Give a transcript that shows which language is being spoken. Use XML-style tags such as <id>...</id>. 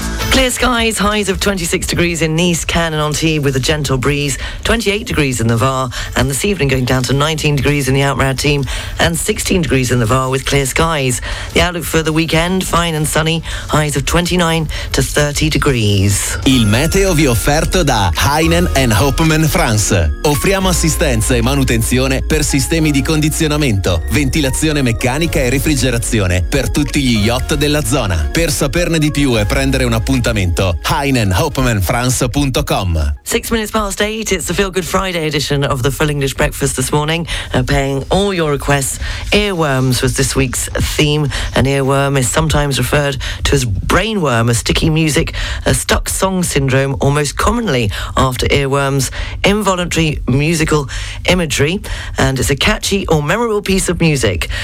<en>Clear skies, highs of 26 degrees in Nice, Cannes and Antibes with a gentle breeze, 28 degrees in the Var, and this evening going down to 19 degrees in the Outremer team and 16 degrees in the Var with clear skies. The outlook for the weekend, fine and sunny, highs of 29 to 30 degrees.</en> <it>Il meteo vi offerto da Heinen and Hopman France. Offriamo assistenza e manutenzione per sistemi di condizionamento, ventilazione meccanica e refrigerazione per tutti gli yacht della zona. Per saperne di più e prendere una appuntamento, heinenhopemanfrance.com.</it> <en>6 minutes past eight, it's the Feel Good Friday edition of the Full English Breakfast this morning. Paying all your requests, earworms was this week's theme. An earworm is sometimes referred to as brainworm, a sticky music, a stuck song syndrome, or most commonly after earworms, involuntary musical imagery, and it's a catchy or memorable piece of music.</en>